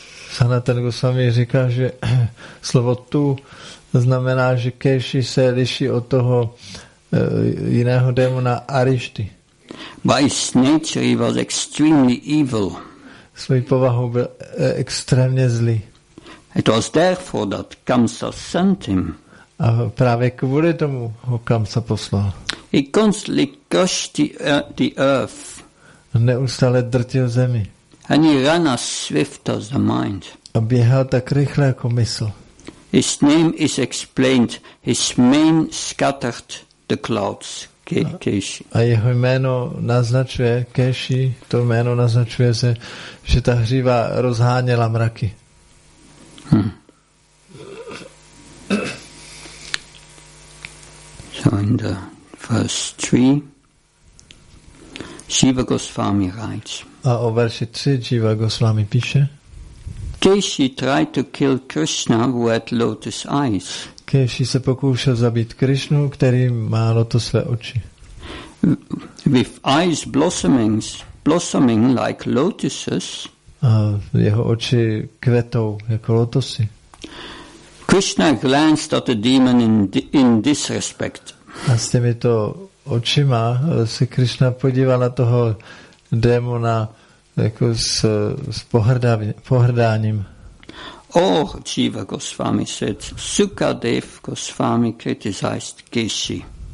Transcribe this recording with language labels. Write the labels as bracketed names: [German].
[Czech] Sanatan Goswami říká, že slovo tu znamená, že Keshi se liší od toho jiného démona Arišty. [English] By his nature he was extremely evil. [Czech] Svojí povahou byl extrémně zlý. [English] It was therefore that Kamsa sent him. [Czech] A právě kvůli tomu ho Kamsa poslal. [English] He constantly crushed the earth. [Czech] Neustále drtil zemi. [English] And he ran as swift as the mind. [Czech] A běhal tak rychle jako mysl. [English] His name is explained, his mane scattered the clouds. [Czech] A jeho jméno naznačuje Keshi, to jméno naznačuje se, že ta hříva rozháněla mraky. [English] So in the first three, Shiva Goswami writes. [Czech] A o verši 3 Shiva Goswami píše. [English] Keshi tried to kill Krishna who had lotus eyes. [Czech] Keshi se pokoušel zabít Krishnu, který má lotosové oči. [English] With eyes blossoming like lotuses. [Czech] A jeho oči kvetou jako lotosy. [English] Krishna glanced at the demon in disrespect. [Czech] A s těmito očima se Krishna podíval na toho démona jako s pohrdáním. [English] Oh, Jiva Goswami said, Sukadev Goswami criticized Keshi.